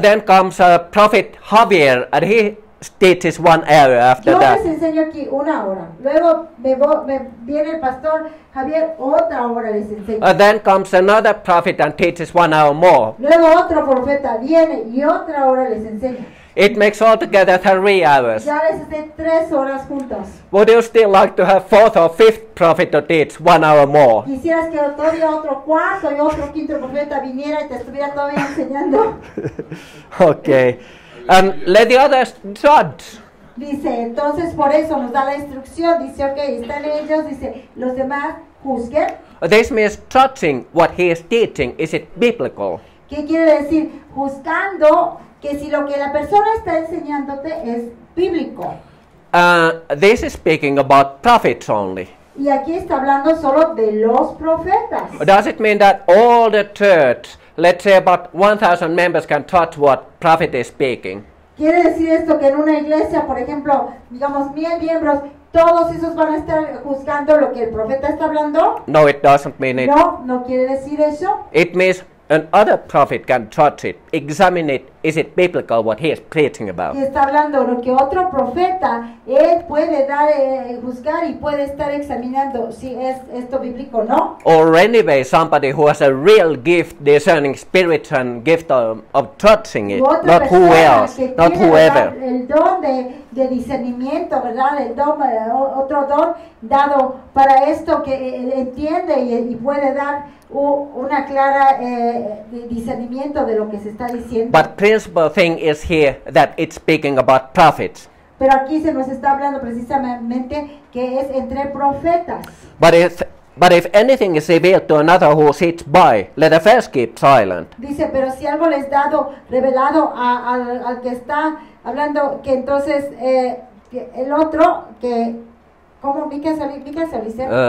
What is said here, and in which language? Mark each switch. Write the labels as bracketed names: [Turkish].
[English] Then comes a prophet Javier, and he teaches 1 hour after [Spanish] yo [English] that. [Spanish] Yo les enseño aquí una hora. Luego me viene el pastor Javier, otra hora les enseño. [English] And then comes another prophet and teaches 1 hour more. [Spanish] Luego otro profeta viene y otra hora les enseño. [English] It makes altogether 3 hours. [Spanish] Ya les estoy 3 horas juntos. [English] Would you still like to have fourth or fifth prophet to teach 1 hour more? [Spanish] Quisieras que todavía otro cuarto y otro quinto profeta viniera y te estuviera todavía enseñando. [English] Okay. And let the others judge. [Spanish] Dice, entonces por eso nos da la instrucción. Dice, okay, están ellos. Dice, los demás juzguen. [English] This means judging what he is teaching. Is it biblical? [Spanish] ¿Qué quiere decir? Juzgando que si lo que la persona está enseñándote es bíblico. [English] This is speaking about prophets only. [Spanish] Y aquí está hablando solo de los profetas. [English] Does it mean that all the church, let's say about 1,000 members, can touch what prophet is speaking? [Spanish] ¿Quiere decir esto que en una iglesia, por ejemplo, digamos 1,000 miembros, todos esos van a estar juzgando lo que el profeta está hablando? [English] No, it doesn't mean it. [Spanish] No, no quiere decir eso. [English] It means another prophet can touch it, examine it, is it biblical what he is preaching about? [Spanish] Y está hablando lo que otro profeta, él puede dar, juzgar y puede estar examinando si es esto bíblico o no. [English] Or anyway, somebody who has a real gift, discerning spirit and gift of touching it, not who else, not whoever. [Spanish] El don de discernimiento, ¿verdad? El don, otro don dado para esto que entiende y puede dar una clara discernimiento de lo que se está diciendo. [English] But principal thing is here that it's speaking about prophets. [Spanish] Pero aquí se nos está hablando precisamente que es entre profetas. [English] But if anything is revealed to another who sits by, let the first keep silent. [Spanish] Dice, pero si algo les dado revelado al que está hablando, que entonces que el otro que cómo Mica dice.